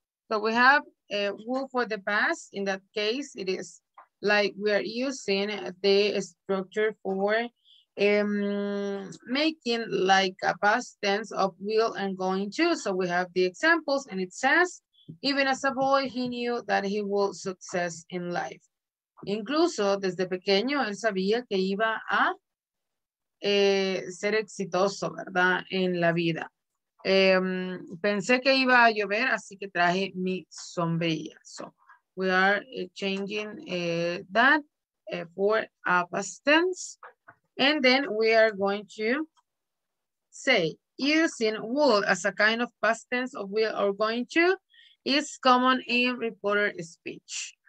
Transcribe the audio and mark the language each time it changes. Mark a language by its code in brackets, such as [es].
[en] So we have a wool for the past. In that case, it is like we are using the structure for making like a past tense of will and going to. So we have the examples, and it says, even as a boy, he knew that he would success in life. [es] Incluso desde pequeño, él sabía que iba a ser exitoso, ¿verdad?, en la vida. Pensé que iba a llover, así que traje mi sombrilla. [en] So we are changing that for a past tense. And then we are going to say, using will as a kind of past tense of will or going to is common in reported speech.